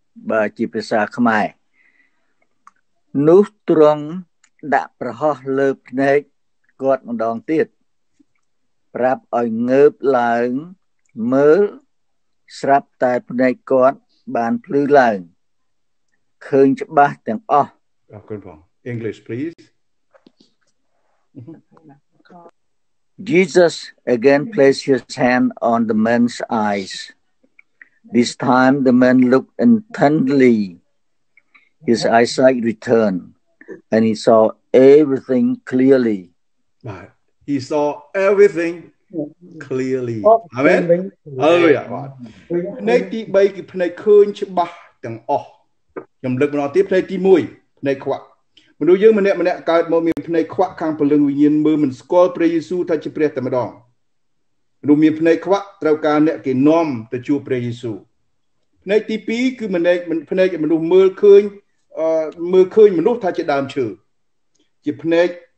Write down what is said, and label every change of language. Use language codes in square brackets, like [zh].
[km] បាទជាភាសាខ្មែរនោះត្រង់ដាក់ប្រហោះលើភ្នែកគាត់ម្ដងទៀតប្រាប់ឲ្យងើបឡើងមើលស្រាប់តែភ្នែកគាត់បានភ្លឺឡើងឃើញច្បាស់ទាំងអស់អរគុណបង [en] English, please. Jesus again placed his hand on the man's eyes. This time the man looked intently. His eyesight returned and he saw everything clearly. Right. He saw everything clearly. Amen. Hallelujah. [km] ភ្នែកទី3គឺភ្នែកឃើញច្បាស់ទាំងអស់ខ្ញុំលើកម្ដងទៀតភ្នែកទី1ភ្នែកខ្វាក់មនុស្សយើងម្នាក់ៗកើតមកមានភ្នែកខ្វាក់ខាងពលឹងវិញ្ញាណមើលមិនស្គាល់ព្រះយេស៊ូវថាជាព្រះតែម្ដងមនុស្សមានភ្នែកខ្វាក់ត្រូវការអ្នកគេនាំទៅជួបព្រះយេស៊ូវភ្នែកទី2គឺភ្នែកមនុស្សមើលឃើញមើលឃើញមនុស្សថាជាដើមឈើជាភ្នែក